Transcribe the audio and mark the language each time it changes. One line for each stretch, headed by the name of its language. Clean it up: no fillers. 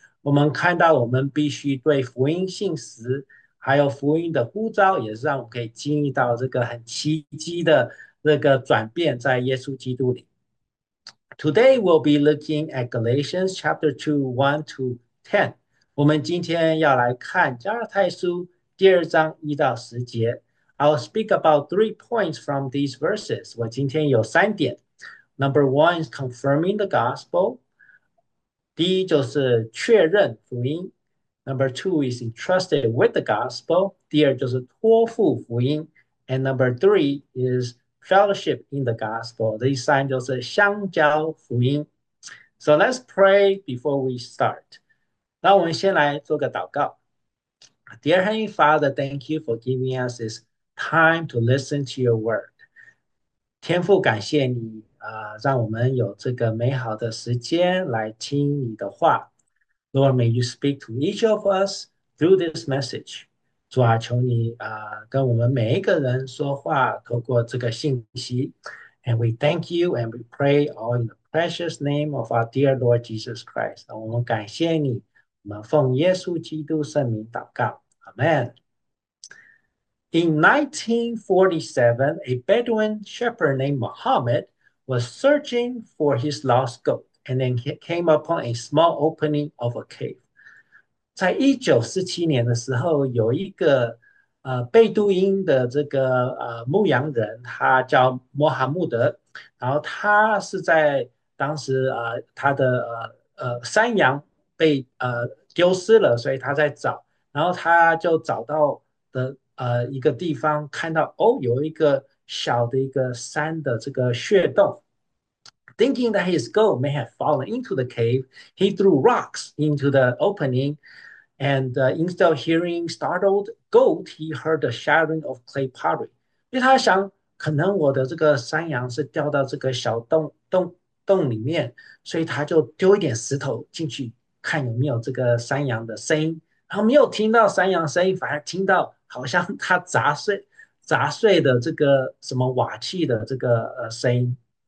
Chinese: 我们看到我们必须对福音信实还有福音的呼召，也是让我们可以经历到这个很奇迹的那个转变在耶稣基督里。
English: Today we'll be looking at Galatians chapter 2, 1 to 10.
Chinese: 我们今天要来看加拉太书第二章一到十节。
English: I'll speak about three points from these verses.
Chinese: 我今天有三点。
English: Number one is confirming the gospel.
Chinese: 第一就是确认福音。
English: Number two is entrusted with the gospel.
Chinese: 第二就是托付福音。
English: And number three is fellowship in the gospel. This sign is Xiangjiao. So let's pray before we start. Dear Heavenly Father, thank you for giving us this time to listen to your word.
Chinese: 天父感谢你,
English: Lord, may you speak to each of us through this message.
Chinese: 主啊，求你跟我们每一个人说话，透过这个信息。
English: And we thank you and we pray all in the precious name of our dear Lord Jesus Christ。
Chinese: 我们感谢你，我们奉耶稣基督圣名祷告，Amen。
English: In 1947, a Bedouin shepherd named Muhammad was searching for his lost goat, and then he came upon a small opening of a cave.
Chinese: 在1947年的时候，有一个贝都因的这个牧羊人，他叫穆罕默德，然后他是在当时他的山羊被丢失了，所以他在找，然后他就找到的一个地方，看到哦有一个小的一个山的这个穴洞。
English: Thinking that his goat may have fallen into the cave, he threw rocks into the opening. And instead of hearing startled goat, he heard the shattering of clay pottery.
Chinese: 因为他想，可能我的这个山羊是掉到这个小洞里面，所以他就丢一点石头进去，看有没有这个山羊的声音。然后没有听到山羊声音，反而听到好像他砸碎的这个什么瓦器的这个声音。